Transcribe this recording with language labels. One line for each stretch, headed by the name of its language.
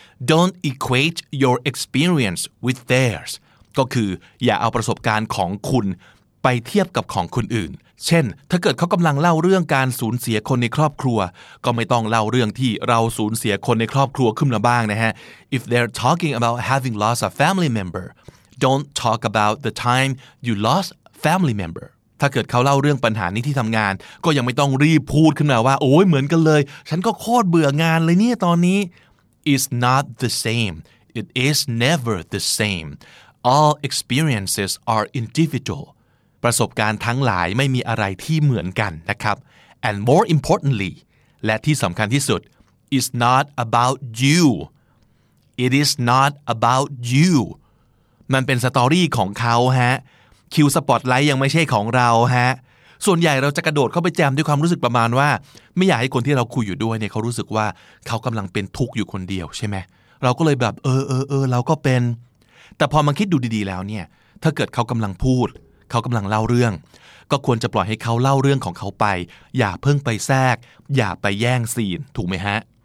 English: don't equate your experience with theirs
Thai: ก็คืออย่าเอาประสบการณ์ของคุณไปเทียบกับของคนอื่นเช่นถ้าเกิดเขากำลังเล่าเรื่องการสูญเสียคนในครอบครัวก็ไม่ต้องเล่าเรื่องที่เราสูญเสียคนในครอบครัวขึ้นมาบ้างนะฮะ
English: if they're talking about having lost a family memberDon't talk about the time you lost family member.
Thai: ถ้าเกิดเขาเล่าเรื่องปัญหานี้ที่ทำงานก็ยังไม่ต้องรีบพูดขึ้นมาว่าโอ้ยเหมือนกันเลยฉันก็โคตรเบื่องานเลยเนี่ยตอนนี้
English: It's not the same. It is never the same. All experiences are individual.
Thai: ประสบการณ์ทั้งหลายไม่มีอะไรที่เหมือนกันนะครับ
English: And more importantly,
Thai: และที่สำคัญที่สุด
English: It's not about you. It is not about you.
Thai: มันเป็นสตอรี่ของเขาฮะคิวสปอตไลท์ยังไม่ใช่ของเราฮะส่วนใหญ่เราจะกระโดดเข้าไปแจมด้วยความรู้สึกประมาณว่าไม่อยากให้คนที่เราคุยอยู่ด้วยเนี่ยเขารู้สึกว่าเขากำลังเป็นทุกข์อยู่คนเดียวใช่ไหมเราก็เลยแบบเออเราก็เป็นแต่พอมาคิดดูดีๆแล้วเนี่ยถ้าเกิดเขากำลังพูดเขากำลังเล่าเรื่องก็ควรจะปล่อยให้เขาเล่าเรื่องของเขาไปอย่าเพิ่งไปแทรกอย่าไปแย่งซีนถูกไหมฮะ